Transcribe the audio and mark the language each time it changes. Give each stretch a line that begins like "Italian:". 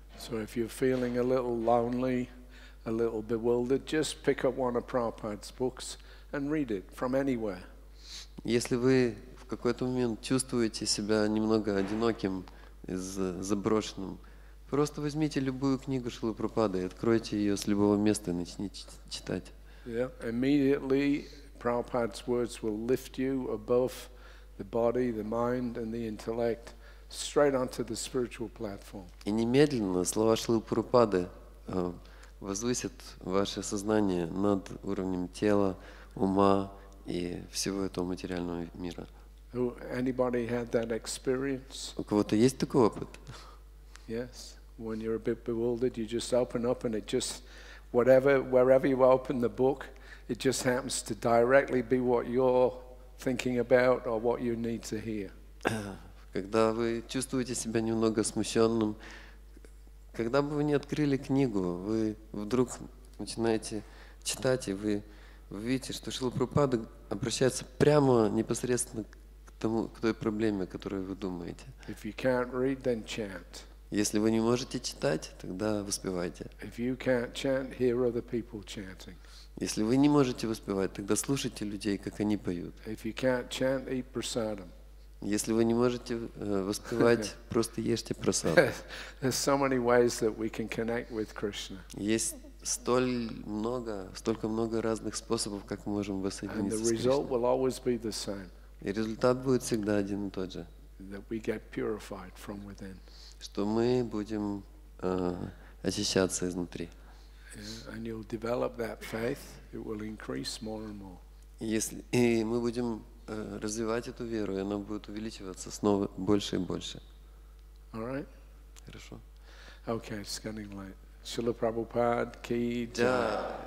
English: So if you're feeling a little lonely, a little bewildered, just pick up one of Prabhupada's books and read it from anywhere.
Russian: Если вы в какой-то момент чувствуете себя немного одиноким, заброшенным, просто возьмите любую книгу Шрилы Прабхупады и откройте ее с любого места и начните читать.
English: Yeah, immediately Prabhupada's words will lift you above the body, the mind and the intellect straight onto the spiritual platform.
Russian: И немедленно слова Шрилы Прабхупады возвысят ваше сознание над уровнем тела, ума и всего этого материального мира.
English: Anybody had that experience?
Russian: У кого-то есть такой опыт?
English: Yes. When you're a bit bewildered, you just open up and it just whatever, wherever you open the book, it just happens to directly be what you're thinking about or what you need to hear.
Russian: Когда вы чувствуете себя немного смущенным, когда бы вы ни открыли книгу, вы вдруг начинаете читать, и вы видите, что Шрила Прабхупада обращается прямо непосредственно тому, к той проблеме, о которой вы думаете.
English: If you can't read, then chant.
Russian: Если вы не можете читать, тогда воспевайте.
English: If you can't chant, hear other people chanting.
Russian: Если вы не можете воспевать, тогда слушайте людей, как они поют.
English: If you can't chant, eat prasadam.
Russian: Если вы не можете воспевать, просто ешьте прасад.
English: There's so many ways that we can connect with Krishna.
Russian: Есть столько много разных способов, как мы можем воссоединиться с Кришной.
English: And the result will always be the same.
Russian: И результат будет всегда один и тот же.
English: That we get purified from within.
Russian: Что мы будем очищаться изнутри.
English: And you'll develop that faith, it will increase more and more.
Russian: И мы будем развивать эту веру, и она будет увеличиваться снова больше и больше.
English: All right?
Russian: Хорошо.
English: Okay, it's getting late.
Russian: Шрила Прабхупада ки джай.